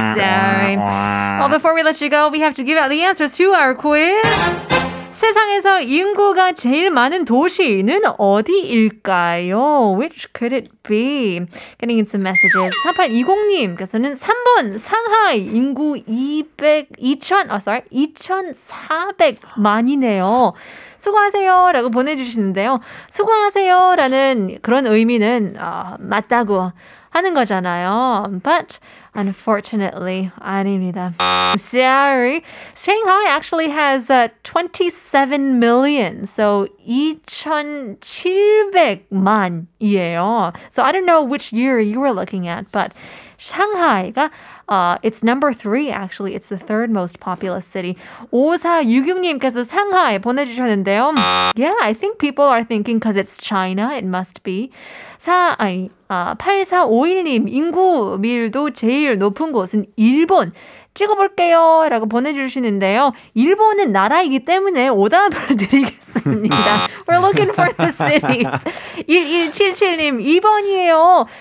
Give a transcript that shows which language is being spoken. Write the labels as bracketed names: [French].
[English] Well, before we let you go, we have to give out the answers to our quiz. [Korean] 세상에서 인구가 제일 많은 도시는 어디일까요? [English] Which could it be? Getting in some messages. [Korean] 4820님께서는 3번 상하이 인구 2400만이네요. 수고하세요 라고 보내주시는데요. 수고하세요 라는 그런 의미는 맞다고 하는 거잖아요. [English] But unfortunately, [Korean] 아닙니다. [English] Sorry. Shanghai actually has 27 million. [Korean] So 2700만이에요. [English] So I don't know which year you were looking at, but Shanghai가 it's number three, actually. It's the third most populous city. [Korean] 5466님께서 상하이 보내주셨는데요. [English] Yeah, I think people are thinking because it's China, it must be. [Korean] 8451님, 인구 밀도 제일 높은 곳은 일본. 찍어볼게요. 라고 보내주시는데요. 일본은 나라이기 때문에 오답을 드리겠습니다. [English] We're looking for the cities. [Korean] 1177님, 2번이에요.